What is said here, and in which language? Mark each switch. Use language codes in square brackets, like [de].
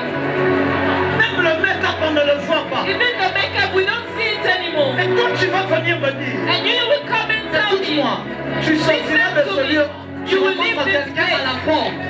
[fr] Même le make-up, on ne le voit pas. [en] Even the make-up, we don't see it anymore. [fr] Et quand tu vas venir me dire? [en] And you will come and tell me. [fr] Tu sortiras de ce lieu, tu rencontres quelqu'un à la porte.